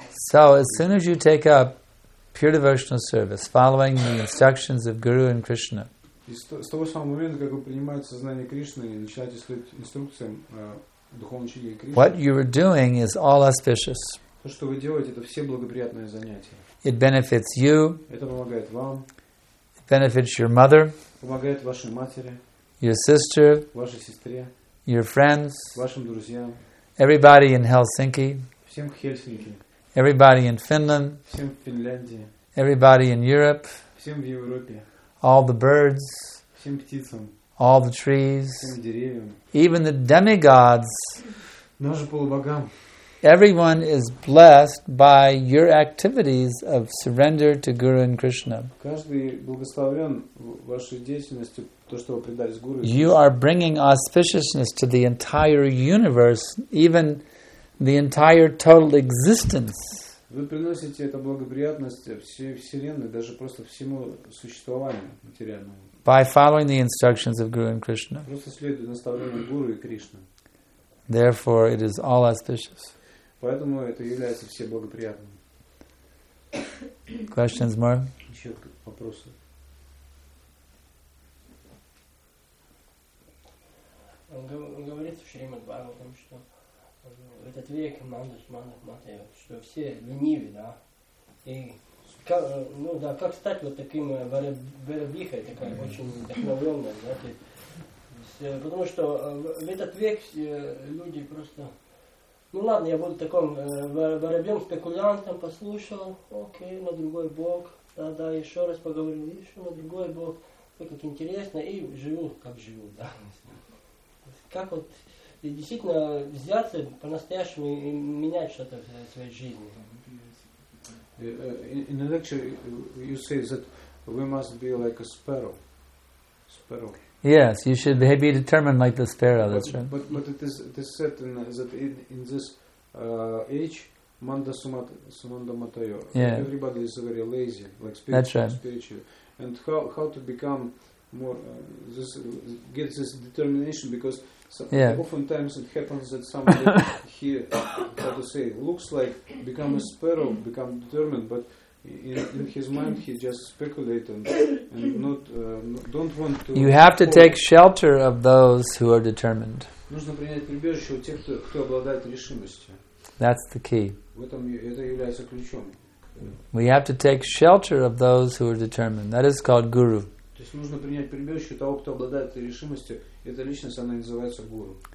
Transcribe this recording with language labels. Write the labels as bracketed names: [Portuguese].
[English] So, as soon as you take up pure devotional service, following the instructions of Guru and Krishna. [Russian] С того самого момента, как вы принимаете сознание Кришны и начинаете следовать инструкциям духовного учителя Кришны. [English] What you are doing is all auspicious. [Russian] То, что вы делаете, это все благоприятные занятия. [English] It benefits you. [Russian] Это помогает вам. [English] It benefits your mother. [Russian] Помогает вашей матери. [English] Your sister. [Russian] Вашей сестре. [English] Your friends. [Russian] Вашим друзьям. [English] Everybody in Helsinki. [Russian] Всем в Хельсинки. [English] Everybody in Finland. [Russian] Всем в Финляндии. [English] Everybody in Europe. [Russian] Всем в Европе. [English] All the birds. [Russian] Всем птицам. [English] All the trees. [Russian] Всем деревьям. [English] Even the demigods. [Russian] Даже полубогам. [English] Everyone is blessed by your activities of surrender to Guru and Krishna. [Russian] Каждый благословлен вашей деятельностью, то, что вы предались Гуру. [English] You are bringing auspiciousness to the entire universe, even the entire total existence. [Russian] Вы приносите это благоприятность всей вселенной, даже просто всему существованию материальному. [English] By following the instructions of Guru and Krishna. [Russian] Просто следуя наставлениям Гуру и Кришны. [English] Therefore, it is all auspicious. [Russian] Поэтому это является все благоприятным. [English] Questions more? [Russian] Еще вопросы. Говорится в Шримад Бхагаватам, что этот век мандат, что все ленивы, да. И как, ну да, как стать вот таким варабихой, такая очень вдохновленная, да, ты, потому что в этот век люди просто. Ну ладно, я буду таком воробьем спекулянтом, послушал, окей, на другой бок, да-да, еще раз поговорил, еще на другой бок, ну как интересно, и живу, как живу, да. Как вот действительно взяться по-настоящему и менять что-то в своей жизни? [English] In the lecture you say that we must be like a sparrow. Sparrow. Yes, you should be determined like the sparrow. That's right. But it is said in this age, [Sanskrit] manda sumat sumanda matayo. [English] Yeah. Everybody is very lazy, like spiritual. That's right. And how to become more this get this determination, because oftentimes it happens that somebody here, how to say, looks like become a sparrow, become determined, but in his mind, he just speculate and not don't want to. You have to take shelter of those who are determined. [Russian] Нужно принять прибежище у тех, кто обладает решимостью. [English] That's the key. [Russian] В этом это является ключом. [English] We have to take shelter of those who are determined. That is called guru. [Russian] То есть нужно принять прибежище того, кто обладает решимостью. Эта личность, она называется гуру.